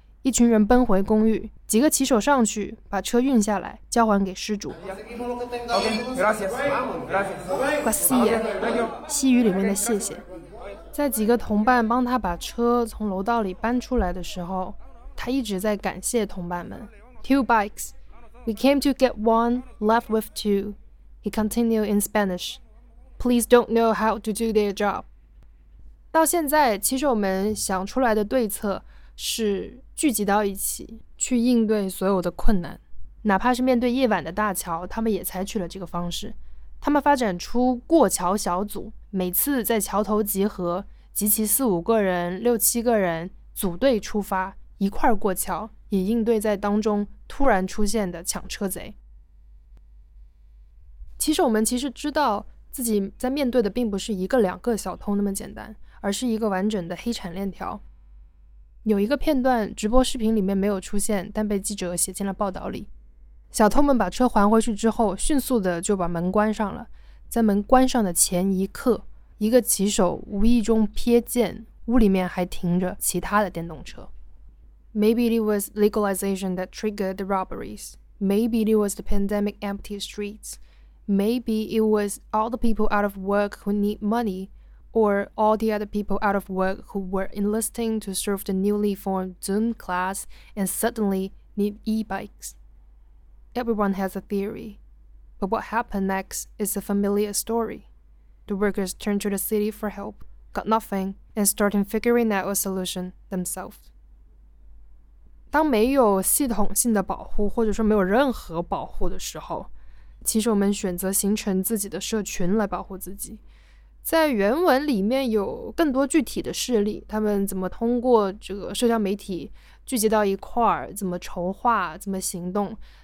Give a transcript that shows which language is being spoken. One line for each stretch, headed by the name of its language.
Chinese: 一群人奔回公寓，几个骑手上去把车运下来交还给失主。
Spanish: Gracias.
Chinese: 西语里面的谢谢。在几个同伴帮他把车从楼道里搬出来的时候，他一直在感谢同伴们。
English: Two bikes. We came to get one, left with two. He continued in Spanish. Please don't know how to do their job.
Chinese: 到现在骑手们想出来的对策是聚集到一起去应对所有的困难，哪怕是面对夜晚的大桥，他们也采取了这个方式。他们发展出过桥小组，每次在桥头集合，集齐四五个人、六七个人，组队出发，一块儿过桥，以应对在当中突然出现的抢车贼。骑手们其实知道自己在面对的并不是一个两个小偷那么简单，而是一个完整的黑产链条。有一个片段直播视频里面没有出现，但被记者写进了报道里。小偷们把车还回去之后，迅速的就把门关上了。在门关上的前一刻，一个骑手无意中瞥见屋里面还停着其他的电动车。
English: Maybe it was legalization that triggered the robberies. Maybe it was the pandemic empty streets. Maybe it was all the people out of work who need moneyOr all the other people out of work who were enlisting to serve the newly formed Zoom class and suddenly need e-bikes. Everyone has a theory, but what happened next is a familiar story. The workers turned to the city for help, got nothing, and started figuring out a solution themselves.
Chinese: 当没有系统性的保护，或者说没有任何保护的时候，骑手们选择形成自己的社群来保护自己。在原文里面有更多具体的事例，他们怎么通过这个社交媒体聚集到一块儿，怎么筹划，怎么行动。